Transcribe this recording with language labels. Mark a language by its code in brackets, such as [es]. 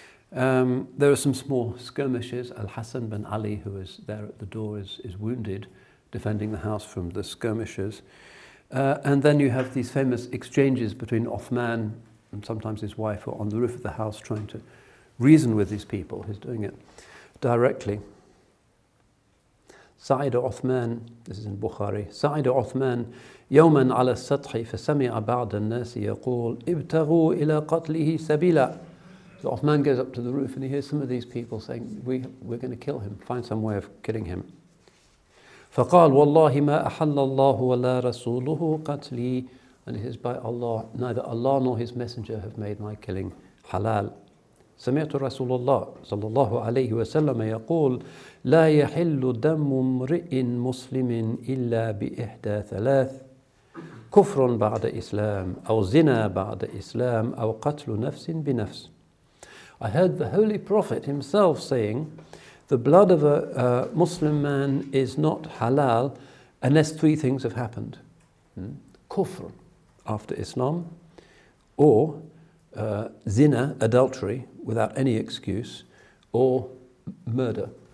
[en] There are some small skirmishes. Al-Hassan bin Ali, who is there at the door, is wounded, defending the house from the skirmishers. And then you have these famous exchanges between Uthman and sometimes his wife, who are on the roof of the house trying to reason with these people. He's doing it directly. [ar] Sa'ida Uthman, [en] this is in Bukhari, [ar] Sa'ida Uthman, يَوْمًا عَلَى السَّطْحِ فَسَمِعَ بَعْدَ النَّاسِ يَقُولُ إِبْتَغُوا إِلَى قَتْلِهِ سَبِيلًا. [en] So Uthman goes up to the roof and he hears some of these people saying, we're going to kill him, find some way of killing him. [ar] فَقَالْ وَاللَّهِ مَا أَحَلَّ اللَّهُ وَلَا رَسُولُهُ قَتْلِي. [en] And he says, by Allah, neither Allah nor his messenger have made my killing halal. [ar] سمعت رسول الله صلى الله عليه وسلم يقول لا يحل دم امرئ مسلم إلا بإحدى ثلاث كفر بعد إسلام أو زنا بعد إسلام أو قتل نفس بنفس. [en] I heard the Holy Prophet himself saying the blood of a Muslim man is not halal unless three things have happened. Kufr after Islam, or zina, adultery, without any excuse, or murder.